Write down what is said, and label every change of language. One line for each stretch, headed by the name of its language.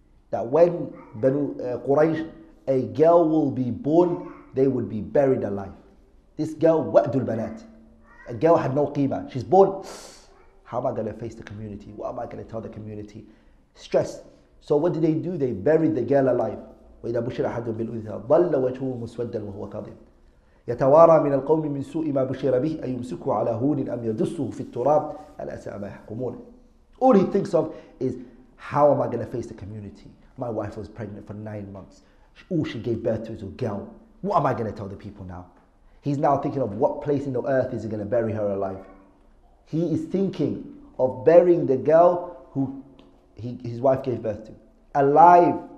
English: That when Banu Quraysh, a girl will be born, they would be buried alive. This girl,
Arabic: وَأْدُ الْبَنَاتِ.
English: A girl had no qima. She's born. How am I going to face the community? What am I going to tell the community? Stress. So what did they do? They buried the girl alive.
Arabic: وَإِذَا بُشِّرَ أَحَدُهُمْ بِالْأُنْثَى ضَلَّ وَجْهُهُ مُسْوَدًّا وَهُوَ كَظِيمٌ. يتوارى من القوم من سوء ما بشر به أيمسكه على هون أم يدسه في التراب ألا ساء ما يحكمون.
English: All he thinks of is, how am I going to face the community? My wife was pregnant for 9 months. Oh, she gave birth to a girl. What am I going to tell the people now? He's now thinking of what place in the earth is he going to bury her alive. He is thinking of burying the girl who his wife gave birth to alive.